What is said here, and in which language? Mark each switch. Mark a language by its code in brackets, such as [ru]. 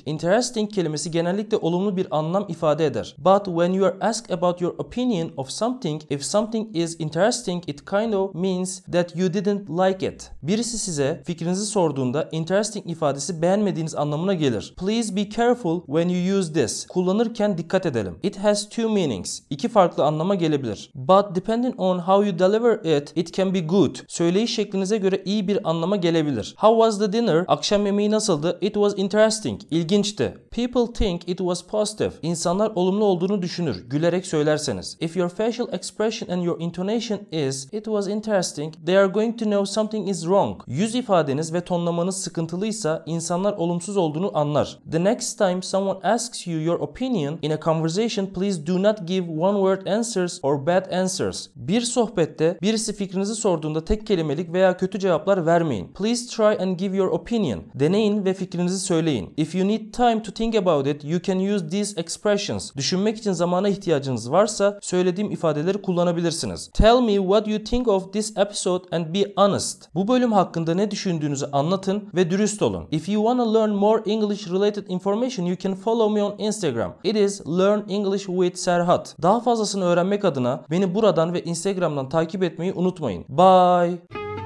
[tr] Interesting kelimesi genellikle olumlu bir anlam ifade eder. [en] But when you are asked about your opinion of something, if something is interesting, it kind of means that you didn't like it. [tr] Birisi size fikrinizi sorduğunda interesting ifadesi beğenmediğiniz anlamı gelir. [en] Please be careful when you use this. [tr] Kullanırken dikkat edelim. [en] It has two meanings. [tr] İki farklı anlama gelebilir. [en] But depending on how you deliver it, it can be good. [tr] Söyleyiş şeklinize göre iyi bir anlama gelebilir. [en] How was the dinner? [tr] Akşam yemeği nasıldı? [en] It was interesting. [tr] İlginçti. [en] People think it was positive. [tr] İnsanlar olumlu olduğunu düşünür. Gülerek söylerseniz. [en] If your facial expression and your intonation is it was interesting, they are going to know something is wrong. [tr] Yüz ifadeniz ve tonlamanız sıkıntılıysa insanlar olumsuz olduğunu anlar. [en] The next time someone asks you your opinion in a conversation, please do not give one word answers or bad answers. [tr] Bir sohbette birisi fikrinizi sorduğunda tek kelimelik veya kötü cevaplar vermeyin. [en] Please try and give your opinion. [tr] Deneyin ve fikrinizi söyleyin. [en] If you need time to think about it, you can use these expressions. [tr] Düşünmek için zamana ihtiyacınız varsa söylediğim ifadeleri kullanabilirsiniz. [en] Tell me what you think of this episode and be honest. [tr] Bu bölüm hakkında ne düşündüğünüzü anlatın ve dürüst olun. [en] If you wanna learn more English related information, you can follow me on Instagram. It is Learn English with Serhat. [tr] Daha fazlasını öğrenmek adına beni buradan ve Instagram'dan takip etmeyi unutmayın. Bye.